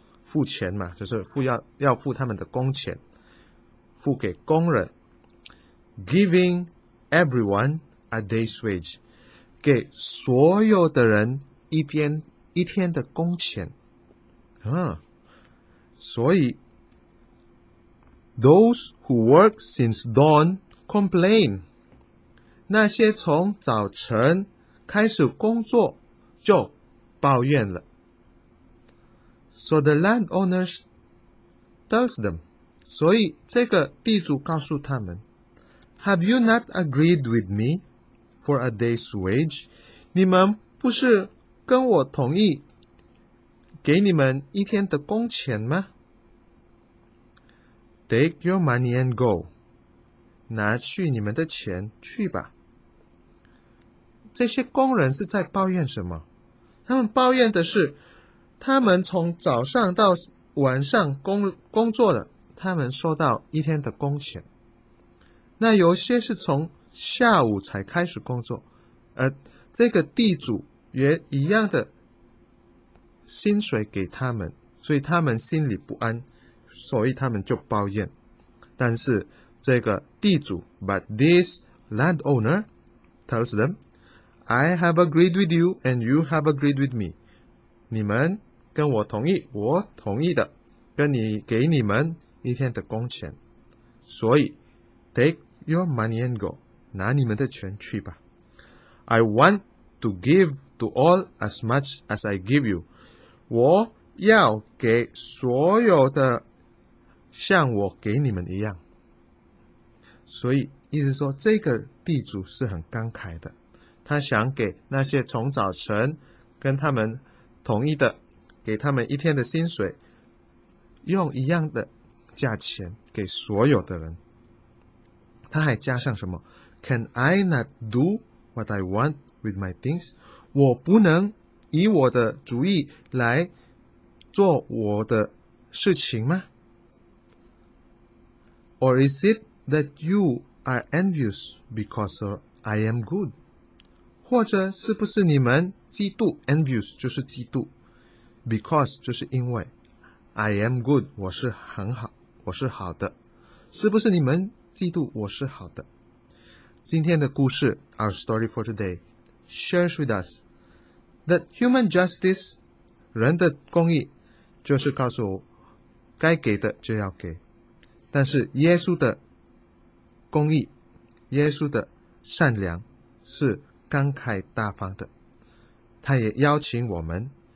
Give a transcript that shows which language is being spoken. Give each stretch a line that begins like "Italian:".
Chinese: 付钱嘛，就是付 要付他们的工钱，付给工人 ，
English: giving everyone a day's wage，
Chinese: 给所有的人一天的工钱。所以 ，
English: those who work since dawn complain，
Chinese: 那些从早晨开始工作就抱怨了。
English: So the landowners tells them.
Chinese: 所以这个地主告诉他们
English: Have you not agreed with me for a day's wage?
Chinese: 你们不是跟我同意给你们一天的工钱吗?
English: Take your money and go.
Chinese: 拿去你们的钱去吧。这些工人是在抱怨什么?他们抱怨的是他们从早上到晚上工作了，他们收到一天的工钱。那有些是从下午才开始工作，而这个地主也一样的薪水给他们，所以他们心里不安，所以他们就抱怨。但是这个地主
English: ，But this landowner tells them, "I have agreed with you, and you have agreed with me."
Chinese: 你们跟我同意，我同意的，跟你给你们一天的工钱，所以
English: take your money and go，
Chinese: 拿你们的钱去吧。
English: I want to give to all as much as I give you，
Chinese: 我要给所有的像我给你们一样。所以意思说，这个地主是很慷慨的，他想给那些从早晨跟他们同意的。给他们一天的薪水，用一样的价钱给所有的人。他还加上什么
English: ？Can I not do what I want with my things？
Chinese: 我不能以我的主意来做我的事情吗
English: ？Or is it that you are envious because I am good？
Chinese: 或者是不是你们嫉妒 ？Envious 就是嫉妒。 Because 就是因为
English: I am good
Chinese: 我是很好我是好的是不是你们嫉妒我是好的今天的故事
English: Our story for today shares with us that human justice
Chinese: 人的公义就是告诉我该给的就要给但是耶稣的公义耶稣的善良是慷慨大方的他也邀请我们